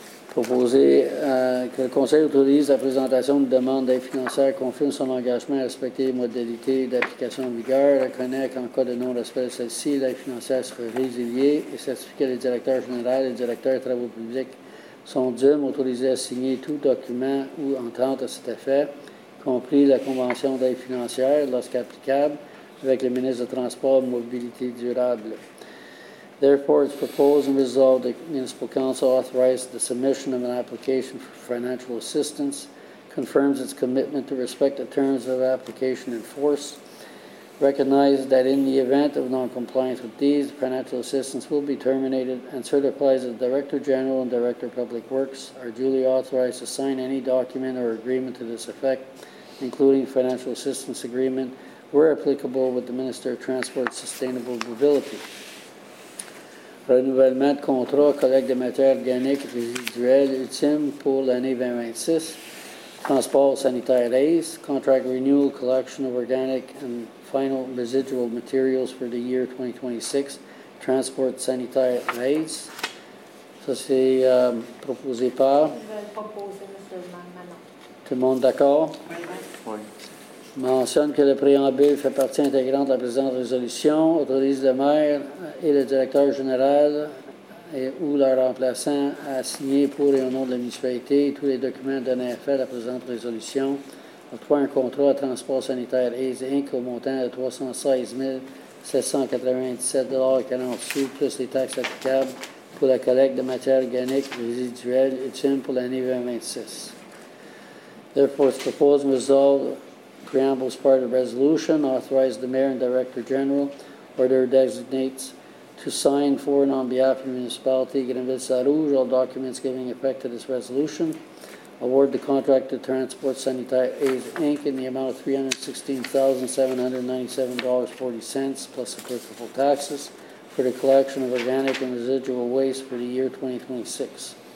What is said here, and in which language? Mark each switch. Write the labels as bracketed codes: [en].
[fr] Proposé que le Conseil autorise la présentation de demande d'aide financière, confirme son engagement à respecter les modalités d'application en vigueur, reconnaît qu'en cas de non-respect de celle-ci, l'aide financière sera résiliée et certifie que le directeur général et le directeur des travaux publics sont dûment autorisés à signer tout document ou entente à cet effet, y compris la convention d'aide financière, lorsqu'applicable, avec le ministre des Transports et Mobilité durable. [en] Therefore, it's proposed and resolved that Municipal Council authorize the submission of an application for financial assistance, confirms its commitment to respect the terms of application in force, recognizes that in the event of non-compliance with these, financial assistance will be terminated, and certifies that the Director General and Director of Public Works are duly authorized to sign any document or agreement to this effect, including financial assistance agreement, where applicable, with the Minister of Transport and Sustainable Mobility. [fr] Renouvellement de contrat collecte de matières organiques résiduelles ultimes pour l'année 2026. [en] Transport sanitaire ACE, contract renewal collection of organic and final residual materials for the year 2026. [fr] Transport sanitaire ACE. Ça, c'est proposé par. Je vais proposer, M. Manon. Tout le monde d'accord? Oui. Oui. Mentionne que le préambule fait partie intégrante de la présente résolution, autorise le maire et le directeur général et ou leur remplaçant à signer pour et au nom de la municipalité tous les documents donnant effet à la présente résolution, octroie un contrat à Transport sanitaire AIDS Inc. au montant de 316 797 $ 40 plus les taxes applicables pour la collecte de matières organiques résiduelles ultimes pour l'année 2026. [en] Therefore, it's proposed and resolved. Preamble is part of the resolution, authorize the Mayor and Director General or their designates to sign for and on behalf of the municipality, Grenville-Sarrouge, all documents giving effect to this resolution. Award the contract to Transport Sanitaire Aid Inc. in the amount of $316,797.40 plus applicable taxes for the collection of organic and residual waste for the year 2026.